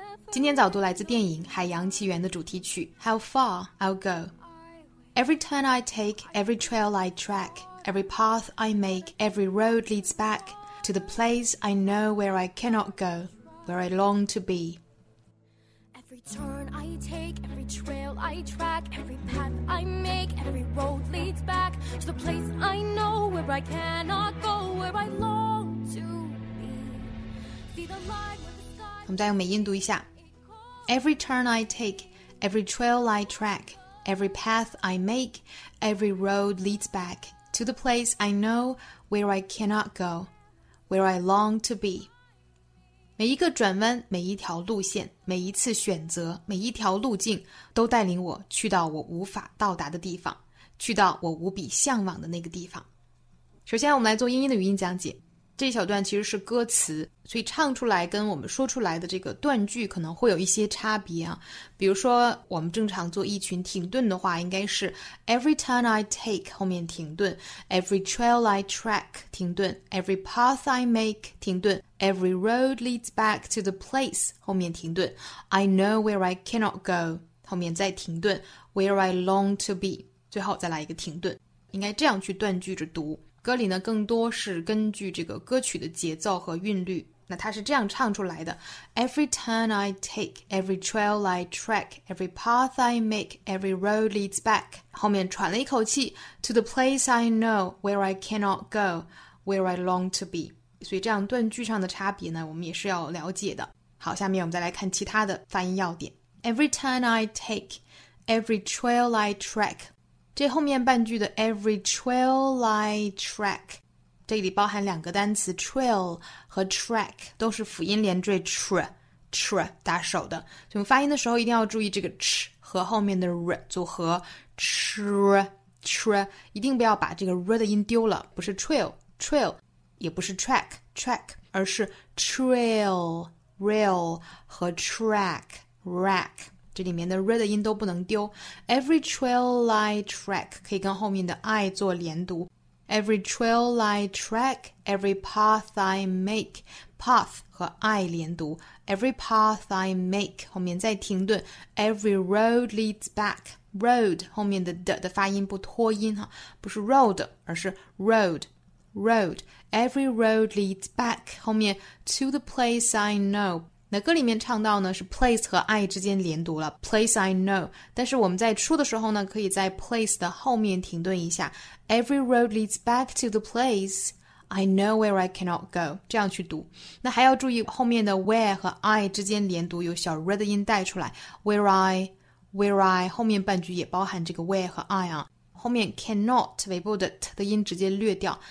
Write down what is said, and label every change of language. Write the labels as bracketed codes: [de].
[zh] 今天早读来自电影《海洋奇缘》的主题曲 How far I'll go. [en] Every turn I take, every trail I track. Every path I make, every road leads back to the place I know where I cannot go, where I long to be. Every turn I take, every trail I track, every path I make, every road leads back to the place I know where I cannot go, where I long to be. See the light with the sky. [zh] 我们再用美音读一下。 [en] Every turn I take, every trail I track, every path I make, every road leads back. To the place I know where I cannot go, where I long to be. [zh] 每一个转弯，每一条路线，每一次选择，每一条路径，都带领我去到我无法到达的地方，去到我无比向往的那个地方。首先，我们来做英音的语音讲解。这小段其实是歌词，所以唱出来跟我们说出来的这个断句可能会有一些差别啊。比如说我们正常做一群停顿的话，应该是 [en] Every turn I take [zh] 后面停顿， [en] Every trail I track [zh] 停顿， [en] Every path I make [zh] 停顿， [en] Every road leads back to the place [zh] 后面停顿， [en] I know where I cannot go [zh] 后面再停顿， [en] Where I long to be [zh] 最后再来一个停顿，应该这样去断句着读。歌里呢更多是根据这个歌曲的节奏和韵律，那它是这样唱出来的 [en] Every turn I take, every trail I track, every path I make, every road leads back [zh] 后面喘了一口气 [en] To the place I know where I cannot go, where I long to be [zh] 所以这样断句上的差别呢我们也是要了解的。好，下面我们再来看其他的发音要点。 [en] Every turn I take, every trail I track, [zh] 这后面半句的 [en] every trail I track [zh] 这里包含两个单词 trail 和 track 都是辅音连缀 tr 打手的，所以发音的时候一定要注意这个 ch 和后面的 r 组合 tr 一定不要把这个 r 的音丢了，不是 trail 也不是 track 而是 trail rail 和 track这里面的 r 的音都不能丢。 [en] Every trail I track [zh] 可以跟后面的 I 做连读。 [en] Every trail I track, every path I make, [zh] path 和 I 连读。 [en] Every path I make [zh] 后面再停顿。 [en] Every road leads back, [zh] road 后面的 的发音不拖音哈，不是 road 而是 road Every road leads back 后面 [en] to the place I know， [zh] 那歌里面唱到呢是 place 和 I 之间连读了 [en] place I know， [zh] 但是我们在出的时候呢可以在 place 的后面停顿一下 [en] every road leads back to the place I know where I cannot go， [zh] 这样去读。那还要注意后面的 where 和 I 之间连读有小 r 的音带出来 where I 后面半句也包含这个 where 和 I 啊，后面 cannot 尾部的 t 的音直接略掉。